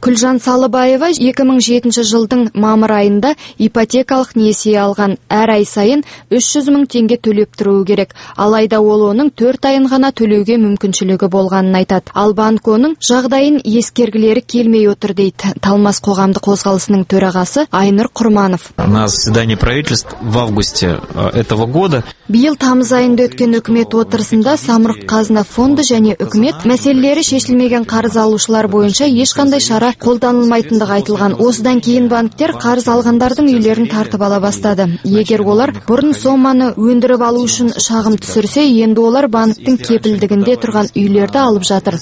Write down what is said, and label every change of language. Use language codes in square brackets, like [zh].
[kk] Күлжан Салыбаева 2007 жылдың мамыр айында ипотекалық несие алған, әр ай сайын 300 мың теңге төлеп тұруы керек. Алайда ол оның 4 айын ғана төлеуге мүмкіншілігі болғанын айтады. Ал банк оның жағдайын ескергілері келмей отыр дейді. Талмас қоғамдық қозғалысының төрағасы Айнұр Құрманов. [ru] На заседании правительств в августе этого года. [kk] Биыл тамыз айында өткен үкімет отырысында Самұрық-Қазына фонды және үкімет мәселелері шешілмеген қарыз алушылар бойынша ешқандай шара қолданылмайтындығы айтылған. Осыдан кейін банктер қарыз алғандардың үйлерін тартып ала бастады. Егер олар бұрын соманы өндіріп алу үшін шағым түсірсе, енді олар банктің кепілдігінде тұрған үйлерді алып жатыр.